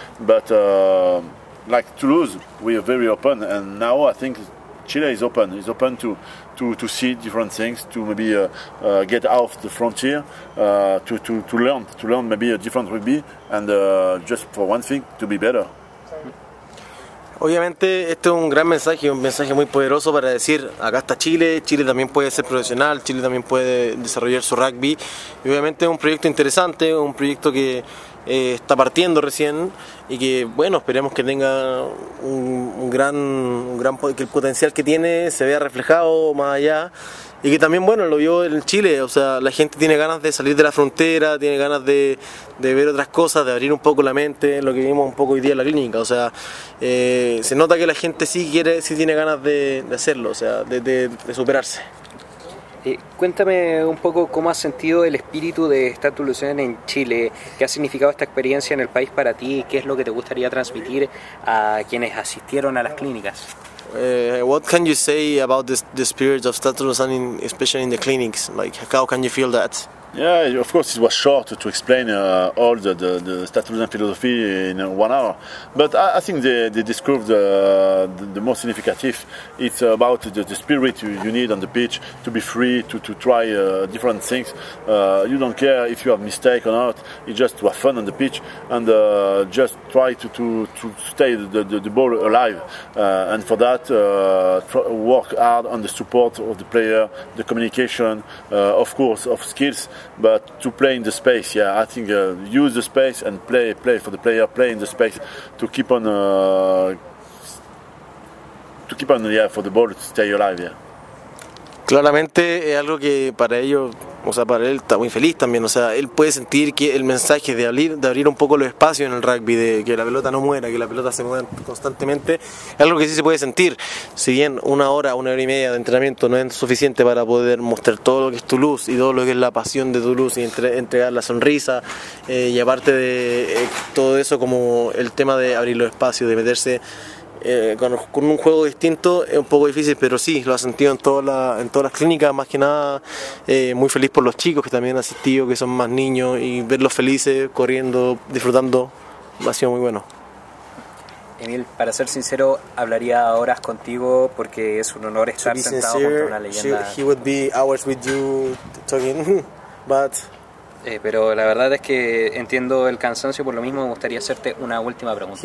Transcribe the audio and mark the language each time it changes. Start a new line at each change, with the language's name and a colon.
English: But like Toulouse, we are very open. And now I think Chile is open. It's open to see different things, to maybe get out the frontier, to learn maybe a different rugby, and just for one thing, to be better.
Spanish: Obviamente este es un gran mensaje, un mensaje muy poderoso para decir, acá está Chile, Chile también puede ser profesional, Chile también puede desarrollar su rugby. Y obviamente es un proyecto interesante, un proyecto que está partiendo recién y que, bueno, esperemos que tenga un gran que el potencial que tiene se vea reflejado más allá. Y que también, bueno, lo vio en Chile, o sea, la gente tiene ganas de salir de la frontera, tiene ganas de ver otras cosas, de abrir un poco la mente, lo que vimos un poco hoy día en la clínica, o sea, se nota que la gente sí quiere, sí tiene ganas de hacerlo, o sea, de superarse. Cuéntame un poco cómo has sentido el espíritu de Stade Toulousain en Chile, qué ha significado esta experiencia en el país para ti, qué es lo que te gustaría transmitir a quienes asistieron a las clínicas.
English: What can you say about the spirit of Stade Toulousain, especially in the clinics? Like, how can you feel that? Yeah, of course, it was short to explain all the Stade Toulousain philosophy in 1 hour. But I think they described the most significant. It's about the spirit you need on the pitch, to be free, to try different things. You don't care if you have mistake or not. It's just to have fun on the pitch and just try to stay the ball alive. And for that, work hard on the support of the player, the communication, of course, of skills. But to play in the space, yeah, I think use the space and play for the player, play in the space to keep on, yeah, for the ball to stay alive, yeah.
Spanish: Claramente es algo que para ellos, o sea, para él está muy feliz también. O sea, él puede sentir que el mensaje de abrir un poco los espacios en el rugby, de que la pelota no muera, que la pelota se mueva constantemente, es algo que sí se puede sentir. Si bien una hora y media de entrenamiento no es suficiente para poder mostrar todo lo que es tu luz y todo lo que es la pasión de tu luz y entregar la sonrisa, y aparte de todo eso, como el tema de abrir los espacios, de meterse con un juego distinto, es un poco difícil, pero sí, lo ha sentido en todas las clínicas. Más que nada, muy feliz por los chicos que también han asistido, que son más niños, y verlos felices, corriendo, disfrutando, ha sido muy bueno. Emil, para ser sincero, hablaría horas contigo porque es un honor estar sentado junto a una leyenda.
English: He would be hours with you talking, but...
Spanish: Pero la verdad es que entiendo el cansancio, por lo mismo me gustaría hacerte una última pregunta.